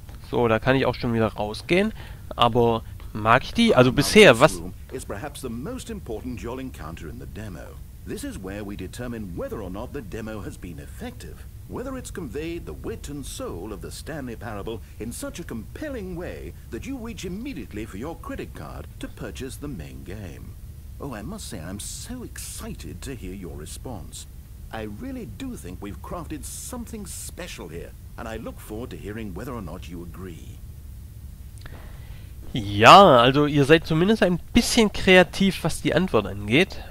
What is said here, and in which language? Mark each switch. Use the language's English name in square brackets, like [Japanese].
[German] So, da kann ich auch schon wieder rausgehen. Aber mag ich die? Also bisher, was... [English] ...is perhaps the most important you'll encounter in the demo. This is where we determine whether or not the demo has been effective. Whether it's conveyed the wit and soul of the Stanley Parable in such a compelling way that you reach immediately for your credit card to purchase the main game. Oh, I must say, I'm so excited to hear your response. I really do think we've crafted something special here, and I look forward to hearing whether or not you agree. [German] Ja, also ihr seid zumindest ein bisschen kreativ, was die Antwort angeht.